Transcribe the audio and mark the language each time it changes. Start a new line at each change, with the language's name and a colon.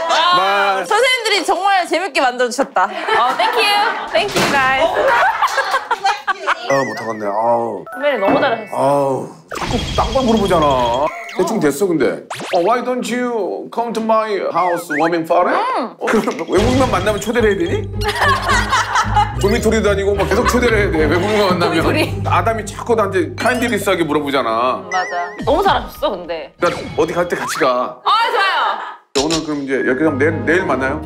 Korean: 선생님들이 정말 재밌게 만들어 주셨다.
English: Thank you. Thank you guys.
Korean: 아 못하겠네. 아. 선배님 너무 잘하셨어. 아 자꾸 딴 걸 물어보잖아. 대충 됐어 근데.
English: Why don't you come to my house warming party?
Korean: 외국인만 만나면 초대를 해야 되니? 도미토리도 아니고 막 계속 초대를 해야 돼. 외국인만 만나면. 도미토리. 아담이 자꾸 나한테 카인드리스하게 물어보잖아. 맞아. 너무 잘하셨어 근데. 그러니까 어디 갈 때 같이 가. 아 좋아요. 오늘 그럼 이제 여기 가면 내일 만나요?